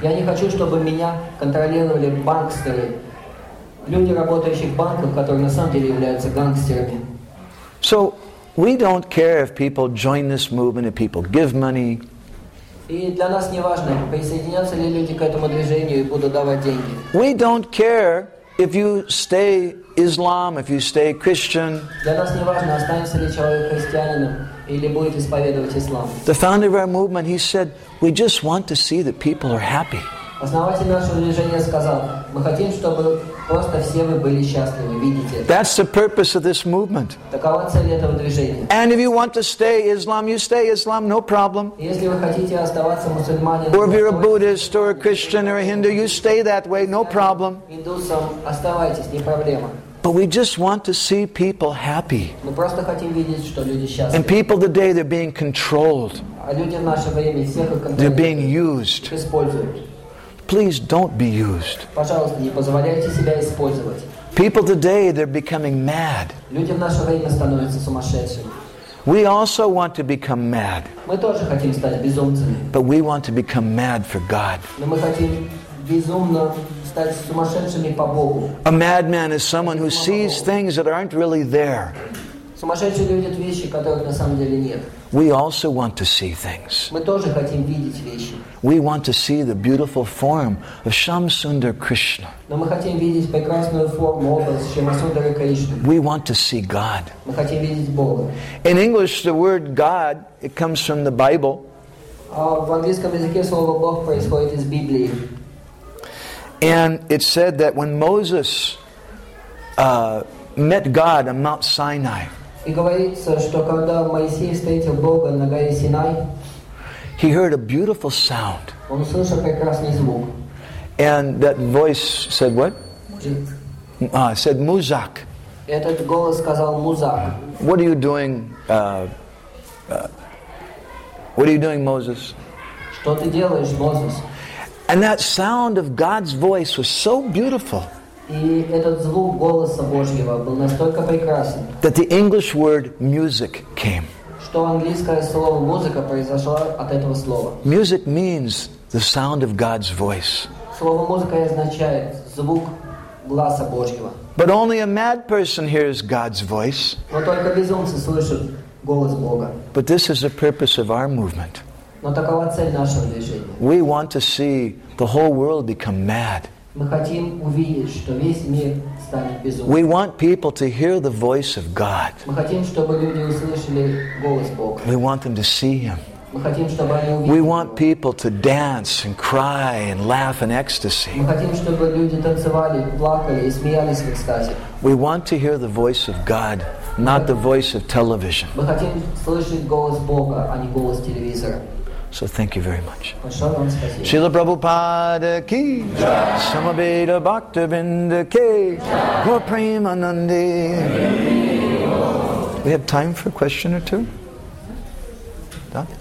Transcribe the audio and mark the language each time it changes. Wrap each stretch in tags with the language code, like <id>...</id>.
<ru>Я не хочу, чтобы меня контролировали банкстеры. Люди, работающие в банках, которые на самом деле являются гангстерами.</ru> <en>So, we don't care if people join this movement, if people give money.</en> <ru>И для нас не важно, присоединятся ли люди к этому движению и будут давать деньги.</ru> <en>We don't care if you stay Islam, if you stay Christian.</en> <ru>Для нас не важно, останется ли человек христианином или будет исповедовать ислам.</ru> <en>The founder of our movement, he said, we just want to see that people are happy.</en> <ru>Основатель нашего движения сказал, мы хотим, чтобы просто все вы были счастливы, видите это.</ru> <en>That's the purpose of this movement.</en> <ru>Такова цель этого движения.</ru> <en>And if you want to stay Islam, you stay Islam, no problem.</en> <ru>Если вы хотите оставаться мусульманином,</ru> <en>or if you're a Buddhist, or a Christian, or a Hindu, you stay that way, no problem.</en> <ru>Индусом оставайтесь, не проблема.</ru> <en>But we just want to see people happy.</en> <ru>Мы просто хотим видеть, что люди счастливы.</ru> <en>And people today, they're being controlled.</en> <ru>А люди в наше время всех контролируют.</ru> <en>They're being used.</en> <ru>Используют.</ru> <en>Please don't be used.</en> <ru>Пожалуйста, не позволяйте себя использовать.</ru> <en>People today, they're becoming mad.</en> <ru>Люди в наше время становятся сумасшедшими.</ru> <en>We also want to become mad.</en> <ru>Мы тоже хотим стать безумцами.</ru> <en>But we want to become mad for God.</en> <ru>Но мы хотим безумно стать сумасшедшими по Богу.</ru> <en>A madman is someone who sees things that aren't really there.</en> <ru>Сумасшедшие видят вещи, которых на самом деле нет.</ru> <en>We also want to see things.</en> <ru>Мы тоже хотим видеть вещи.</ru> <en>We want to see the beautiful form of Shamsundar Krishna.</en> <ru>Но мы хотим видеть прекрасную форму, образ Шамасундары Кришны.</ru> <en>We want to see God.</en> <ru>Мы хотим видеть Бога.</ru> <en>In English, the word God, it comes from the Bible.</en> <ru>В английском языке слово Бог происходит из Библии.</ru> <en>And it said that when Moses met God on Mount Sinai,</en> <ru>и говорится, что когда Моисей встретил Бога на горе Синай,</ru> <en>he heard a beautiful sound.</en> <ru>Он услышал прекрасный звук.</ru> <en>And that voice said what?</en> <ru>Музак.</ru> <en>Said Музак.</en> <ru>Этот голос сказал Музак.</ru> <en>What are you doing? What are you doing, Moses?</en> <ru>Что ты делаешь, Мозес?</ru> <en>And that sound of God's voice was so beautiful.</en> <ru>И этот звук голоса Божьего был настолько прекрасен,</ru> <en>that the English word music came.</en> <ru>Что английское слово музыка произошло от этого слова.</ru> <en>Music means the sound of God's voice.</en> <ru>Слово музыка означает звук гласа Божьего.</ru> <en>But only a mad person hears God's voice.</en> <ru>Но только безумцы слышат голос Бога.</ru> <en>But this is the purpose of our movement.</en> <ru>Но такова цель нашего движения.</ru> <en>We want to see the whole world become mad.</en> <ru>Мы хотим увидеть, что весь мир станет безумным.</ru> <en>We want people to hear the voice of God.</en> <ru>Мы хотим, чтобы люди услышали голос Бога.</ru> <en>We want them to see Him.</en> <ru>Мы хотим, чтобы они увидели.</ru> <en>We want people to dance and cry and laugh in ecstasy.</en> <ru>Мы хотим, чтобы люди танцевали, плакали и смеялись в экстазе.</ru> <en>We want to hear the voice of God, not the voice of television.</en> <ru>Мы хотим слышать голос Бога, а не голос телевизора.</ru> <en>So thank you very much. Srila Prabhupada ki</en> <hi>jai. Samaveda Bhaktivinoda ki jai. Gaura Premanandi.</hi> <en>We have time for a question or two? Done?</en>